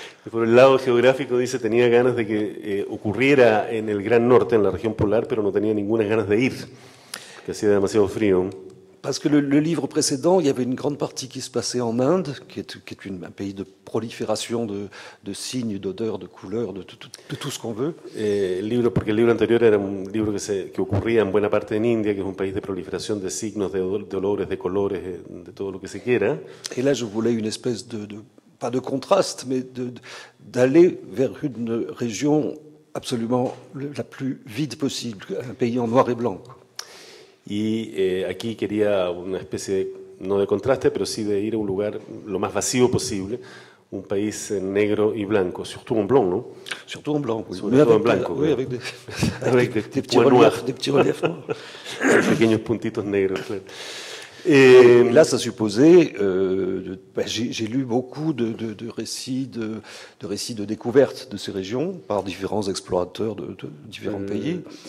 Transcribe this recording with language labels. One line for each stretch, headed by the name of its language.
Spanish: Por el lado geográfico, dice, tenía ganas de que ocurriera en el Gran Norte, en la región polar, pero no tenía ninguna ganas de ir, porque hacía demasiado frío.
French: Parce que le livre précédent, il y avait une grande partie qui se passait en Inde, qui est un pays de prolifération de signes, d'odeurs, de couleurs, de tout ce qu'on veut.
Spanish: Porque el libro anterior era un libro que ocurría en buena parte en India, que es un país de proliferación de signos, de olores, de colores, de todo lo que se quiera.
French: Et là, je voulais une espèce de pas de contraste, mais d'aller vers une région absolument la plus vide possible, un pays en noir et blanc.
Spanish: Y aquí quería una especie, no de contraste, pero sí de ir a un lugar lo más vacío posible, un país negro y blanco,
French: surtout en blanc,
Spanish: ¿no?
French: Surtout en blanc, oui. Surtout en blanco, des petits reliefs noirs.
Spanish: Pequeños puntitos negros, claro.
French: Là, ça supposait, j'ai lu beaucoup de récits de découvertes de ces régions par différents explorateurs de différents pays.